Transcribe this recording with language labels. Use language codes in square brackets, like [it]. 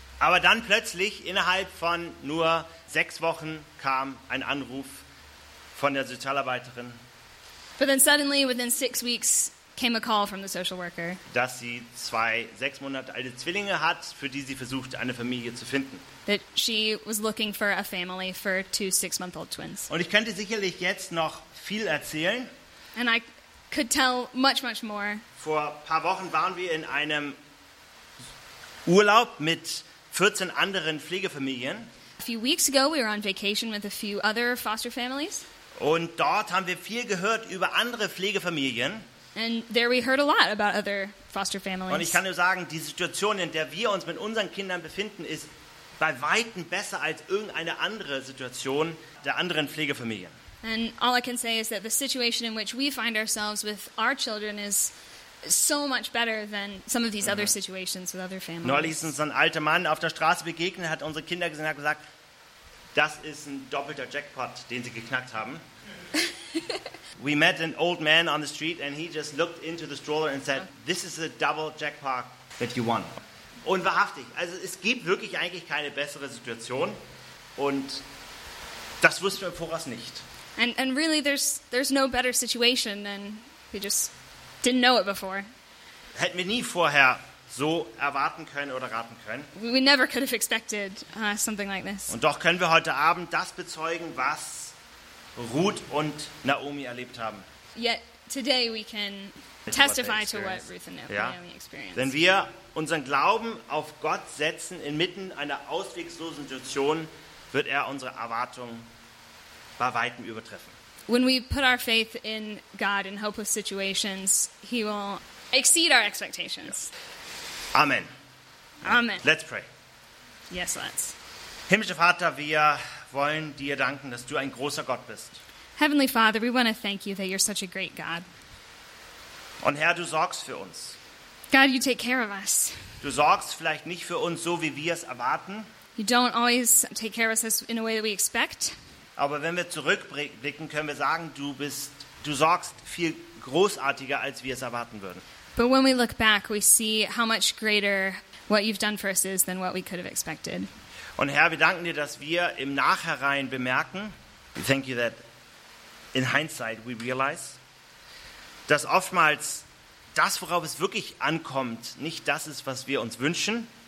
[de] Aber dann plötzlich innerhalb von nur 6 Wochen kam ein Anruf von der Sozialarbeiterin. [en] But then suddenly, within 6 weeks, came a call from the social worker. [de] Dass sie 2 6 Monate alte Zwillinge hat, für die sie versucht, eine Familie zu finden. [en] That she was looking for a family for 2 6-month-old twins. [de] Und ich könnte sicherlich jetzt noch viel erzählen. [en] And I could tell much, much more. [de] Vor ein paar Wochen waren wir in einem Urlaub mit 14 anderen Pflegefamilien. [en] A few weeks ago we were on vacation with a few other foster families. [de] Und dort haben wir viel gehört über andere Pflegefamilien. [en] And there we heard a lot about other foster families. [de] Und ich kann nur sagen, die Situation, in der wir uns mit unseren Kindern befinden, ist bei Weitem besser als irgendeine andere Situation der anderen Pflegefamilien. [en] And all I can say is that the situation in which we find ourselves with our children is so much better than some of these other situations with other families. [de] Neulich ist uns ein alter Mann auf der Straße begegnet, hat unsere Kinder gesehen, hat gesagt, das ist ein doppelter Jackpot, den sie geknackt haben. [en] We met an old man on the street and he just looked into the stroller and said, this is a double jackpot that you won. [de] Und wahrhaftig, also es gibt wirklich eigentlich keine bessere Situation und das wussten wir im Voraus nicht. [en] And really there's no better situation than we just didn't know it before. [de] Hätten wir nie vorher so erwarten können oder raten können. [en] We never could have expected something like this. [de] Und doch können wir heute Abend das bezeugen, was Ruth und Naomi erlebt haben. [en] Yet today we can testify to what Ruth and Naomi experienced. [de] Wenn wir unseren Glauben auf Gott setzen inmitten einer ausweglosen Situation, wird unsere Erwartungen bei weitem übertreffen. [en] When we put our faith in God in hopeless situations, he will exceed our expectations. Yeah. Amen. Amen. Let's pray. Yes, let's. [de] Himmlischer Vater, wir wollen dir danken, dass du ein großer Gott bist. [en] Heavenly Father, we want to thank you that you're such a great God. [de] Und Herr, du sorgst für uns. [en] God, you take care of us. [de] Du sorgst vielleicht nicht für uns so, wie wir es erwarten. [en] You don't always take care of us in a way that we expect. [de] Aber wenn wir zurückblicken, können wir sagen, du sorgst viel großartiger, als wir es erwarten würden. [en] But when we look back, we see how much greater what you've done for us is than what we could have expected. [de] Und Herr, wir danken dir, dass wir im Nachhinein bemerken, [en] we thank you that in hindsight we realize, [de] dass oftmals das, worauf es wirklich ankommt, nicht das ist, was wir uns wünschen,